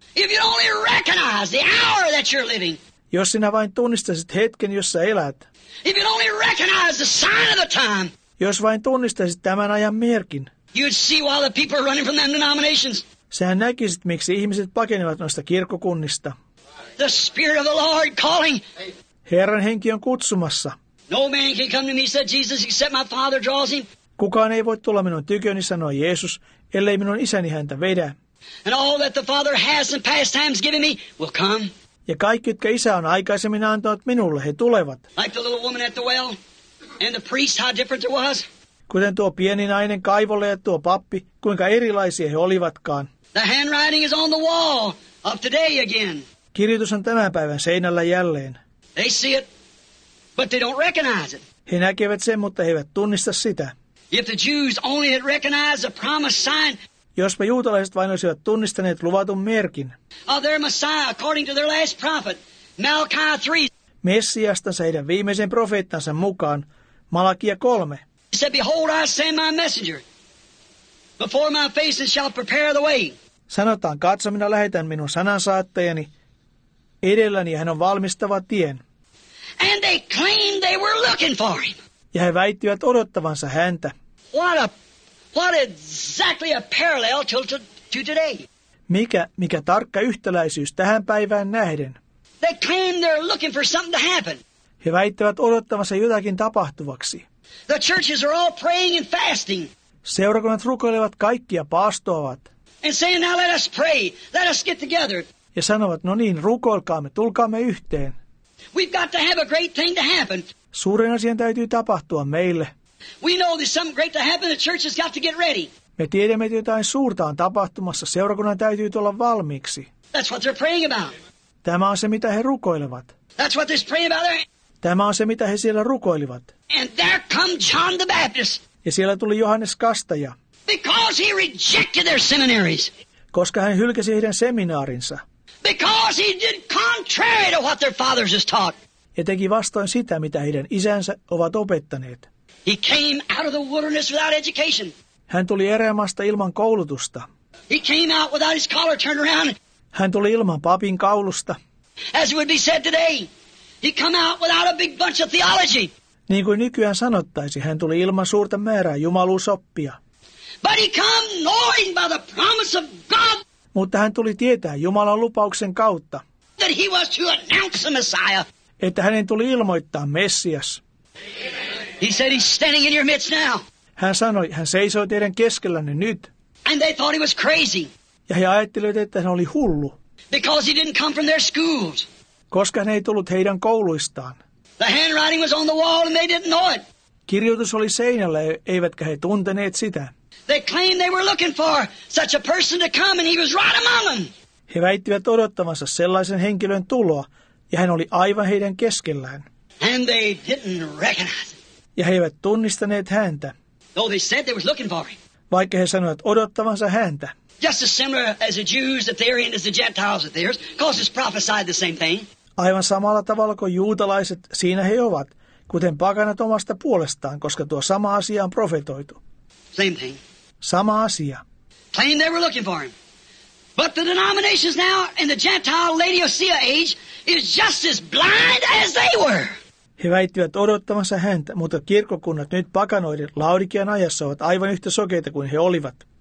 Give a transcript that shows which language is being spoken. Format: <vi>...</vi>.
<en>If you only recognize the hour that you're living.</en> <fi>Jos sinä vain tunnistaisit hetken, jossa elät.</fi> <en>If you only recognize the sign of the time.</en> <fi>Jos vain tunnistaisit tämän ajan merkin.</fi> <en>You'd see why the people are running from them denominations.</en> <fi>Sähän näkisit, miksi ihmiset pakenevat noista kirkkokunnista.</fi> <en>the Spirit of the Lord calling.</en> <fi>Herran henki on kutsumassa.</fi> <en>No man can come to me, said Jesus, except my Father draws him.</en> <fi>Kukaan ei voi tulla minun tyköni, sanoi Jeesus, ellei minun isäni häntä vedä.</fi> <en>And all that the Father has in past times given me will come.</en> <fi>Ja kaikki, jotka isä on aikaisemmin antanut minulle, he tulevat.</fi> <en>Like the little woman at the well and the priest, how different it was.</en> <fi>Kuten tuo pieni nainen kaivolle ja tuo pappi, kuinka erilaisia he olivatkaan.</fi> <en>The handwriting is on the wall of today again.</en> <fi>Kirjoitus on tämän päivän seinällä jälleen.</fi> <en>They see it, but they don't recognize it.</en> <fi>He näkevät sen, mutta he eivät tunnista sitä.</fi> <en>If the Jews only had recognized the promised sign.</en> <fi>Jospa juutalaiset vain olisivat tunnistaneet luvatun merkin.</fi> <en>Of their Messiah, according to their last prophet, Malachi 3.</en> <fi>Messiastansa heidän viimeisen profeettansa mukaan, Malakia 3.</fi> <en>He said, behold, I send my messenger. Before my face it shall prepare the way.</en> <fi>Sanotaan, katso, minä lähetän minun sanansaattajani. Edelläni hän on valmistava tien.</fi> <en>And they claimed they were looking for him.</en> <fi>Ja he väittivät odottavansa häntä.</fi> <en>What exactly a parallel to today?</en> <fi>Mikä tarkka yhtäläisyys tähän päivään nähden?</fi> <en>They claim they're looking for something to happen.</en> <fi>He väittävät odottavansa jotakin tapahtuvaksi.</fi> <en>The churches are all praying and fasting.</en> <fi>Seurakunnat rukoilevat kaikki ja paastoavat.</fi> <en>And saying, now let us pray, let us get together.</en> <fi>Ja sanovat, no niin, rukoilkaamme, tulkaamme yhteen.</fi> <en>We've got to have a great thing to happen.</en> <fi>Suuren asian täytyy tapahtua meille.</fi> <en>We know there's something great to happen, the church has got to get ready.</en> <fi>Me tiedämme, että jotain suurta on tapahtumassa, seurakunnan täytyy tulla valmiiksi.</fi> <en>That's what they're praying about.</en> <fi>Tämä on se, mitä he rukoilevat.</fi> <en>That's what they're praying about.</en> <fi>Tämä on se, mitä he siellä rukoilivat.</fi> <en>And there come John the Baptist.</en> <fi>Ja siellä tuli Johannes Kastaja.</fi> <en>Because he rejected their seminaries.</en> <fi>Koska hän hylkäsi heidän seminaarinsa.</fi> <en>Because he did contrary to what their fathers has taught.</en> <fi>Ja teki vastoin sitä, mitä heidän isänsä ovat opettaneet.</fi> <en>He came out of the wilderness without education.</en> <fi>Hän tuli erämaasta ilman koulutusta.</fi> <en>He came out without his collar turned around.</en> <fi>Hän tuli ilman papin kaulusta.</fi> <en>As would be said today, he came out without a big bunch of theology.</en> <fi>Niin kuin nykyään sanottaisi, hän tuli ilman suurta määrää jumaluusoppia.</fi> <en>But he came knowing by the promise of God.</en> <fi>Mutta hän tuli tietää Jumalan lupauksen kautta.</fi> <en>That he was to announce the Messiah.</en> <fi>Että hänen tuli ilmoittaa Messias.</fi> <en>He said he's standing in your midst now.</en> <fi>Hän sanoi, hän seisoo teidän keskellänne nyt.</fi> <en>And they thought he was crazy.</en> <fi>Ja he ajattelivat, että hän oli hullu.</fi> <en>Because he didn't come from their schools.</en> <fi>Koska hän ei tullut heidän kouluistaan.</fi> <en>The handwriting was on the wall and they didn't know it.</en> <fi>Kirjoitus oli seinällä, eivätkä he tunteneet sitä.</fi> <en>They claimed they were looking for such a person to come and he was right among them.</en> <fi>He väittivät odottavansa sellaisen henkilön tuloa ja hän oli aivan heidän keskellään.</fi> <en>And they didn't recognize him.</en> <fi>Ja he eivät tunnistaneet häntä.</fi> <en>Though they said they was looking for him.</en> <fi>Vaikka he sanoivat odottavansa häntä.</fi> <en>Just as similar as the Jews that they're in as the Gentiles that they're, cause it's prophesied the same thing.</en> <fi>Aivan samalla tavalla kuin juutalaiset, siinä he ovat, kuten pakanat omasta puolestaan, koska tuo sama asia on profetoitu.</fi> <en>Same thing.</en> <fi>Sama asia.</fi> <en>Claimed they were looking for him. But the denominations now in the Gentile Laodicea age is just as blind as they were.</en> <fi>He väittivät odottamassa häntä, mutta kirkkokunnat nyt pakanoiden Laodikean ajassa ovat aivan yhtä sokeita kuin he olivat.</fi>